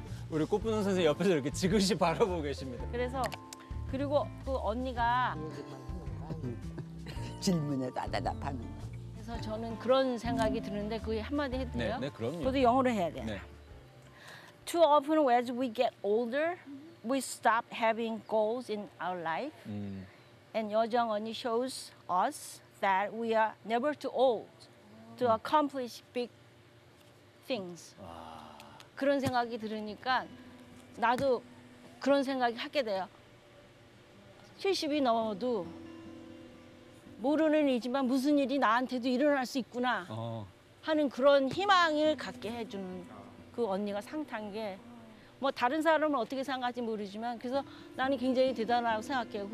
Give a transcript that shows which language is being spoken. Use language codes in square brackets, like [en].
[ko] 우리 꽃분홍 선생 옆에서 이렇게 지그시 바라보고 계십니다. 그래서 그리고 그 언니가 질문에 다 대답하는 거. 그래서 저는 그런 생각이 드는데 그 한마디 해도 돼요? 네, 네 그럼요. 저도 영어로 해야 돼요. 네. [en] Too often as we get older, we stop having goals in our life. And 여정 언니 shows us that we are never too old to accomplish big things. [ko] 그런 생각이 들으니까 나도 그런 생각이 하게 돼요. 70이 넘어도 모르는 일이지만 무슨 일이 나한테도 일어날 수 있구나 하는 그런 희망을 갖게 해주는 그 언니가 상탄 게 뭐 다른 사람은 어떻게 생각할지 모르지만 그래서 나는 굉장히 대단하다고 생각해요.